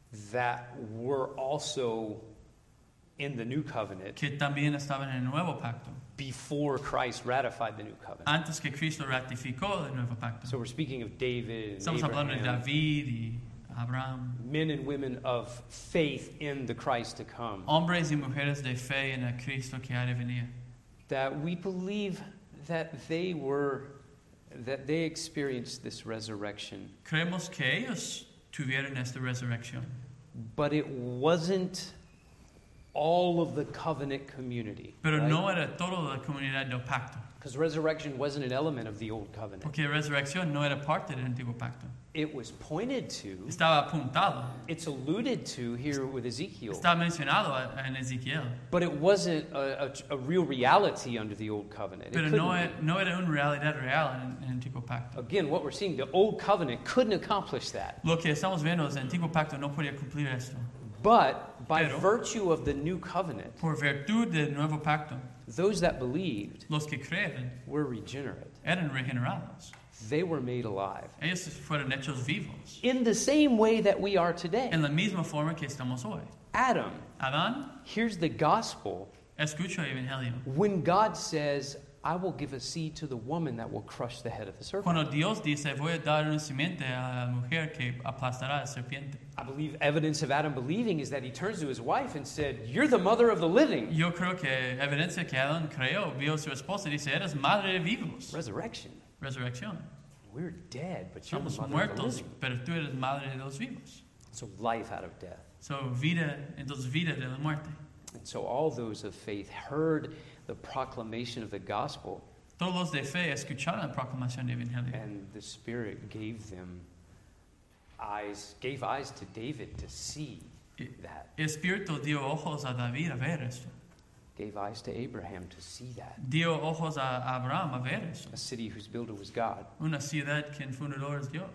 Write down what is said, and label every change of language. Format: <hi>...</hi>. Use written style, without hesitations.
<en>That were also in the New Covenant.</en> <es>Que también estaban en el Nuevo Pacto.</es> <en>Before Christ ratified the new covenant.</en> <es>Antes que Cristo ratificó el nuevo pacto.</es> <en>So we're speaking of David and</en> <es>Estamos</es> <en>Abraham.</en> <es>Hablando de David y Abraham.</es> <en>Men and women of faith in the Christ to come.</en> <es>Hombres y mujeres de fe en el Cristo que ha de venir.</es> <en>That we believe that they were, that they experienced this resurrection.</en> <es>Creemos que ellos tuvieron esta resurrección.</es> <en>But it wasn't all of the covenant community.</en> <es>Pero</es> <en>right?</en> <es>No era toda la comunidad del pacto.</es> <en>Because resurrection wasn't an element of the old covenant.</en> <es>Porque resurrección no era parte del antiguo pacto.</es> <en>It was pointed to.</en> <es>Estaba apuntado.</es> <en>It's alluded to here with Ezekiel.</en> <es>Está mencionado en Ezequiel.</es> <en>But it wasn't a real reality under the old covenant.</en> <es>Pero no era una realidad real en el antiguo pacto.</es> <en>Again, what we're seeing, the old covenant couldn't accomplish that.</en> <es>Lo que estamos viendo es el antiguo pacto no podía cumplir esto.</es> <en>But by</en> <es>Pero,</es> <en>virtue of the new covenant,</en> <es>por virtud del nuevo pacto,</es> <en>those that believed,</en> <es>los que creyeron,</es> <en>were regenerate.</en> <es>Eran regenerados.</es> <en>They were made alive.</en> <es>Ellos fueron hechos vivos.</es> <en>In the same way that we are today.</en> <es>En la misma forma que estamos hoy.</es> <en>Adam.</en> <es>Adán.</es> <en>Here's the gospel.</en> <es>Escucho el evangelio.</es> <en>When God says, I will give a seed to the woman that will crush the head of the serpent.</en> <es>Cuando Dios dice, voy a dar una simiente a la mujer que aplastará a la serpiente.</es> <en>I believe evidence of Adam believing is that he turns to his wife and said, you're the mother of the living.</en> <es>Yo creo que evidencia que Adam creó, vio a su esposa y dice, eres madre de vivos.</es> <en>Resurrection.</en> <es>Resurrección.</es> <en>We're dead, but you're</en> <es>somos muertos, pero tú eres madre de los vivos.</es> <en>So life out of death.</en> <es>So vida, entonces vida de la muerte.</es> <en>And so all those of faith heard the proclamation of the gospel.</en> <es>Todos los de fe escucharon la proclamación del evangelio.</es> <en>And the Spirit gave them eyes, gave eyes to David to see that.</en> <es>El Espíritu dio ojos a David a ver esto.</es> <en>Gave eyes to Abraham to see that.</en> <es>Dio ojos a Abraham a ver esto.</es> <en>A city whose builder was God.</en> <es>Una ciudad que el fundador es Dios.</es>